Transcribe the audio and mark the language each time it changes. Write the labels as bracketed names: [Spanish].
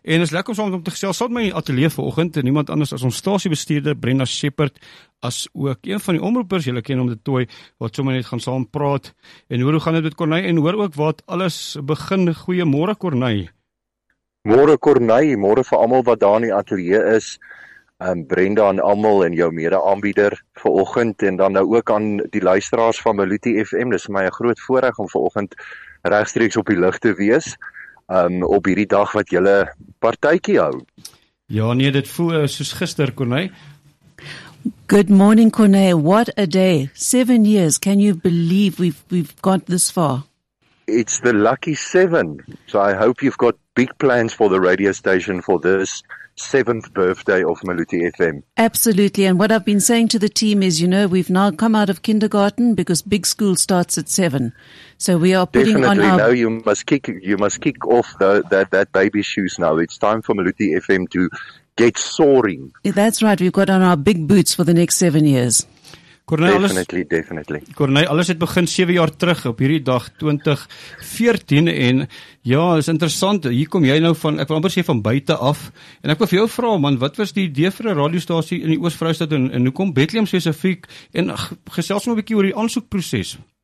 [Afrikaans] En is lekker om saam om te gesels. Sal my in die ateljee vanoggend en niemand anders as ons stasiebestuurder Brenda Shepherd, as ook een van die omroepers, julle ken om dit Tooi, wat sommer net gaan saam praat. En hoor hoe gaan dit met Corneil en hoor ook wat alles begin. Goeiemôre Corneil. Môre Corneil, môre vir almal wat daar in die ateljee is. Brenda en almal en jou mede-aanbieder vanoggend en dan nou ook aan die luisteraars van Meluti FM. Dis my 'n groot voorreg om vanoggend regstreeks op die lug te wees. Op hierdie dag wat julle partytjie hou. Ja, nee, dit voel soos gister, Corneil. [English] Good morning, Corneil. What a day. 7 years. Can you believe we've got this far? It's the lucky seven. So I hope you've got big plans for the radio station for this 7th birthday of Meluti FM. Absolutely. And what I've been saying to the team is, you know, we've now come out of kindergarten because big school starts at 7. So we are putting definitely, on our... Definitely. No, you must kick off that baby shoes now. It's time for Meluti FM to get soaring. That's right. We've got on our big boots for the next 7 years. Corneil, definitely. [Afrikaans] Corneil, alles het begin 7 jaar terug op hierdie dag 2014 en ja, is interessant, hier kom jy nou van, ek wil amper sê van buite af en ek wil vir jou vra man, wat was die idee vir 'n radiostasie in die Oos-Vrystaat en hoekom Bethlehem spesifiek en gesels maar 'n bietjie oor die aansoekproses?